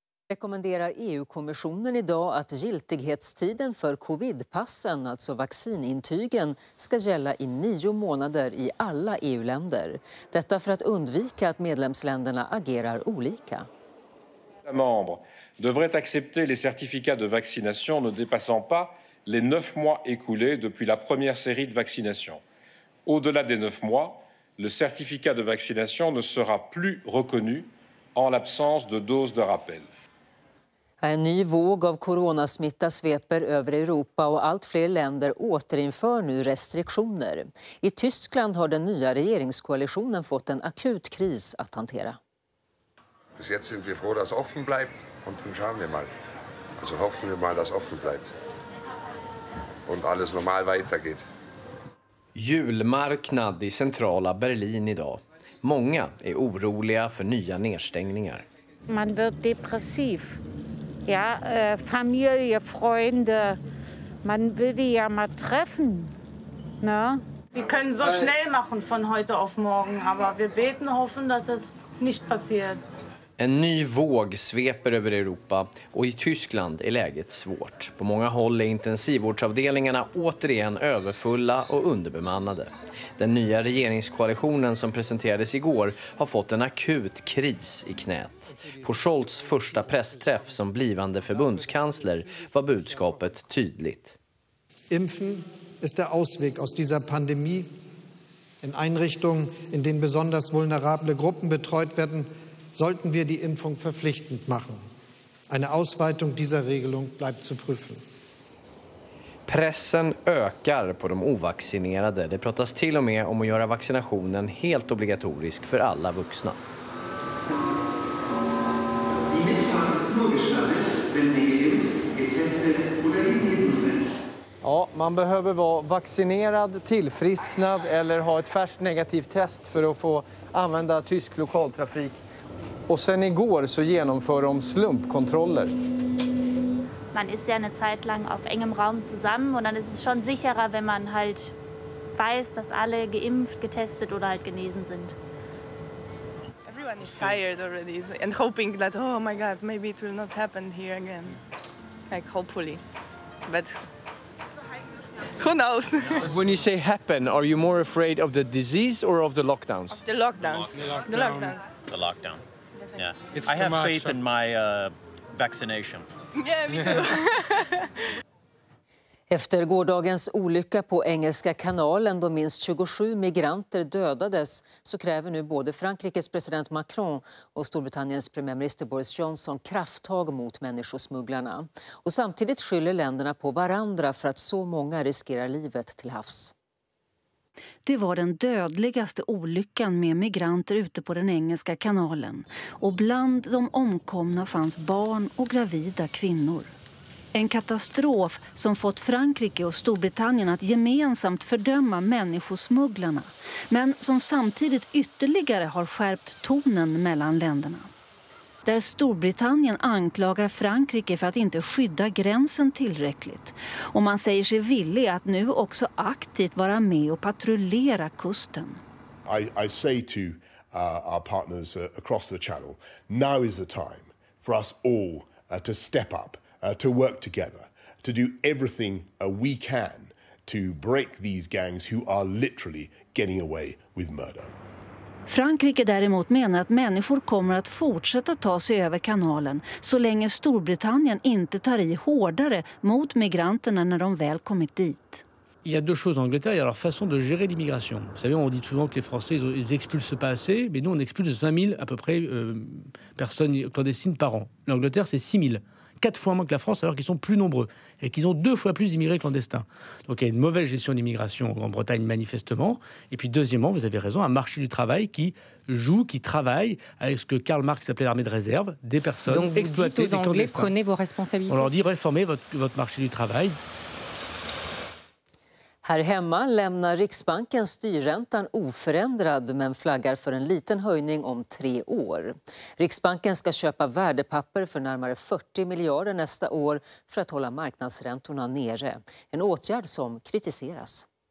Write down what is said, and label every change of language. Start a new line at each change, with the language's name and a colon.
Swedish: Rekommenderar EU-kommissionen idag att giltighetstiden för covidpassen, alltså vaccinintygen, ska gälla i 9 månader i alla EU-länder. Detta för att undvika att medlemsländerna agerar olika.
French: Membre devrait accepter les certificats de vaccination ne dépassant pas les 9 mois écoulés depuis la première série de vaccination. Au-delà des 9 mois, le certificat de vaccination ne sera plus reconnu en l'absence de dose de rappel.
Swedish: En ny våg av coronasmitta sveper över Europa och allt fler länder återinför nu restriktioner. I Tyskland har den nya regeringskoalitionen fått en akut kris att hantera.
German: Bis jetzt sind wir froh, dass offen bleibt und dann schauen wir mal. Also hoffen wir mal, dass offen bleibt und alles normal weitergeht.
Swedish: Julmarknad i centrala Berlin idag. Många är oroliga för nya nedstängningar. Man blir depressiv.
German: Ja, familie, Freunde, man will die ja mal treffen, ne? Sie können so schnell machen von heute auf morgen, aber wir beten, hoffen, dass es nicht passiert.
Swedish: En ny våg sveper över Europa och i Tyskland är läget svårt. På många håll är intensivvårdsavdelningarna återigen överfulla och underbemannade. Den nya regeringskoalitionen som presenterades igår har fått en akut kris i knät. På Scholz första pressträff som blivande förbundskansler var budskapet tydligt.
German: Impfen ist der Ausweg aus dieser Pandemie. In Einrichtungen, in denen besonders vulnerable Gruppen betreut werden, sollten wir die Impfung verpflichtend machen. Eine Ausweitung dieser Regelung bleibt zu prüfen.
Swedish: Pressen ökar på de ovaccinerade. Det pratas till och med om att göra vaccinationen helt obligatorisk för alla vuxna. Ja, man behöver vara vaccinerad, tillfrisknad eller ha ett färskt negativt test för att få använda tysk lokaltrafik. Och sen igår så genomför de slumpkontroller.
German: man ist ja eine Zeit lang auf engem Raum zusammen und dann ist es schon sicherer, wenn man halt weiß, dass alle geimpft, getestet oder halt genesen sind.
English: Everyone is tired already and hoping that, oh my god, maybe it will not happen here again. Like hopefully. But who knows? When you say happen, are you more afraid of the disease or of the lockdowns? Of the lockdowns. The lockdowns. The lockdown. Yeah. It's I have much, faith so. In my vaccination. Yeah, me too.
Swedish: Efter gårdagens olycka på Engelska kanalen då minst 27 migranter dödades så kräver nu både Frankrikes president Macron och Storbritanniens premiärminister Boris Johnson krafttag mot människosmugglarna. Och samtidigt skyller länderna på varandra för att så många riskerar livet till havs. Det var den dödligaste olyckan med migranter ute på den Engelska kanalen. Och bland de omkomna fanns barn och gravida kvinnor. En katastrof som fått Frankrike och Storbritannien att gemensamt fördöma människosmugglarna, men som samtidigt ytterligare har skärpt tonen mellan länderna. Där Storbritannien anklagar Frankrike för att inte skydda gränsen tillräckligt, och man säger sig villig att nu också aktivt vara med och patrullera kusten.
English: I say to our partners across the channel, now is the time for us all to step up. To work together, to do everything we can to break these gangs who are literally getting away with murder.
Swedish: Frankrike däremot menar att människor kommer att fortsätta ta sig över kanalen så länge Storbritannien inte tar i hårdare mot migranterna när de väl kommit dit.
French: Il y a deux choses en Angleterre, il y a leur façon de gérer l'immigration. Vous savez, on dit souvent que les Français ils expulsent pas assez, mais nous on expulse 20 000 à peu près personnes clandestines par an. L'Angleterre c'est 6 000. 4 fois moins que la France, alors qu'ils sont plus nombreux et qu'ils ont 2 fois plus d'immigrés clandestins. Donc il y a une mauvaise gestion d'immigration en Grande-Bretagne, manifestement. Et puis deuxièmement, vous avez raison, un marché du travail qui joue, qui travaille avec ce que Karl Marx appelait l'armée de réserve, des personnes exploitées. Donc vous dites aux Anglais, prenez vos responsabilités. On leur dit, réformez votre marché du travail.
Swedish: Här hemma lämnar Riksbanken styrräntan oförändrad men flaggar för en liten höjning om 3 år. Riksbanken ska köpa värdepapper för närmare 40 miljarder nästa år för att hålla marknadsräntorna nere. En åtgärd som kritiseras.